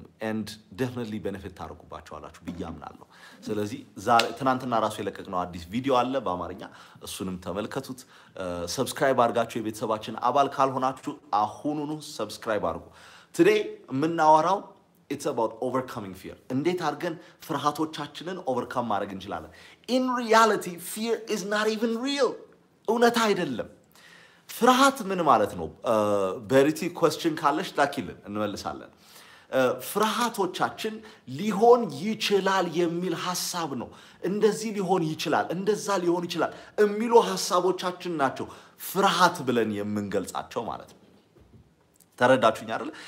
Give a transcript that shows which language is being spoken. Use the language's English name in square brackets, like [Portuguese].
[English] and definitely benefit [Amharic] ታርጉባቸው አላችሁ በያምናለሁ። ስለዚህ ዛሬ ትናንትና ራሱ የለቀቅነው አዲስ ቪዲዮ አለ በአማርኛ እሱንም ተመልከቱት። Subscribe አድርጋችሁ የቤተሰባችን አባል ካልሆናችሁ አሁኑኑ Subscribe አድርጉ። Today ምናወራው [English] it's about overcoming fear. [Amharic] እንዴት አድርገን ፍርሃቶቻችንን overcome ማድረግ እንችላለን? [English] In reality fear is not even real. [Amharic] እውነት አይደለም። ፍርሃት ምን ማለት ነው? Verity question ካለሽ ላኪልን እንመለሳለን። ፍርሃቶቻችን ሊሆን ይችላል የሚል ሐሳብ ነው። እንደዚህ ሊሆን ይችላል፣ እንደዛ ሊሆን ይችላል የሚሉ ሐሳቦቻችን ናቸው ፍርሃት ብለን የምንገልጻቸው ማለት ነው። ተረዳችሁኝ አይደል?